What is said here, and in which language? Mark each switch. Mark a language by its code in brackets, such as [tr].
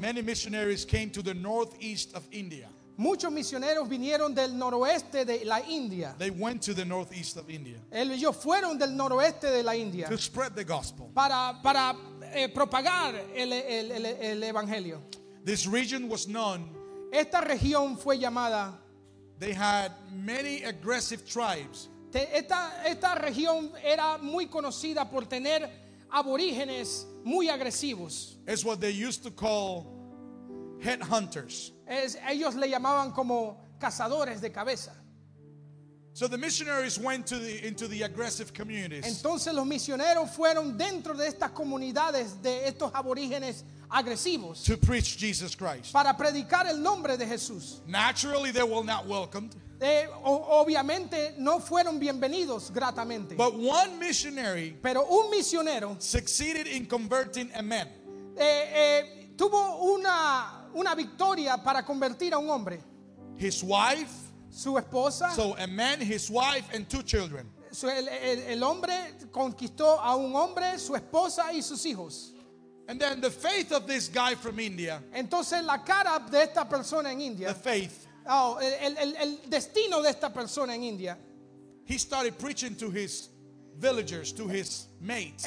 [en] many missionaries came to the northeast of India. [es] Muchos misioneros vinieron del noroeste de la India. [en] They went to the northeast of India. [es] Ellos fueron del noroeste de la India. [en] To spread the gospel. [es] Para propagar el evangelio. [en] This region was known. [es] Esta región fue llamada. [en] They had many aggressive tribes. [es] Esta región era muy conocida por tener aborígenes muy agresivos. [en] It's what they used to call headhunters. [es] Ellos le llamaban como cazadores de cabeza. [en] So the missionaries went to the into the aggressive communities. [es] Entonces los misioneros fueron dentro de estas comunidades de estos aborígenes agresivos. [en] To preach Jesus Christ. [es] Para predicar el nombre de Jesús. [en] Naturally, they were not welcomed. [es] Obviamente no fueron bienvenidos gratamente. [en] But one missionary. [es] Pero un misionero. [en] Succeeded in converting a man. [es] Tuvo una victoria para convertir a un hombre. [en] His wife. [es] Su esposa. [en] So a man, his wife, and two children. [es] El hombre conquistó a un hombre, su esposa y sus hijos. [en] And then the faith of this guy from India. [es] Entonces la cara de esta persona en India. [en] The faith. [es] Oh, el destino de esta persona en India. [en] He started preaching to his villagers, to his mates.